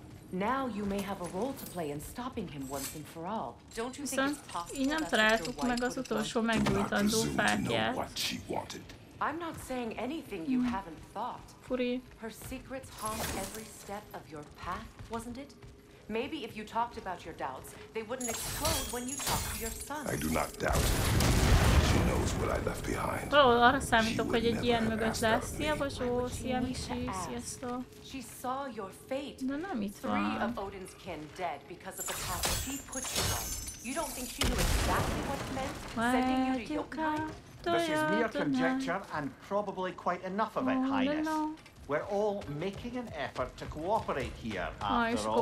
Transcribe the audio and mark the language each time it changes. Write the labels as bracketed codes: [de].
[en] Now you may have a role to play in stopping him once and for all. Don't you think it's possible? [hu] Így nem találtuk meg az utolsó meggyújtandó fákját. [en] I'm not saying anything you haven't thought. Furi. Her secrets haunt every step of your path, wasn't it? Maybe if you talked about your doubts, they wouldn't explode when you talk to your son. I do not doubt. She knows what I left behind. [hu] Valahol arra számítok, hogy egy ilyen mögött lesz. Szia, Bozsó, szia, Misi, sziasztok. [en] She saw your fate. [hu] Na nem itt van. [en] Three of Odin's kin dead because of the path she put you on. You don't think she knew exactly what it meant? Sending you to Jokunheim? This is mere conjecture and probably quite enough of it, Highness. We're all making an effort to cooperate here, after all.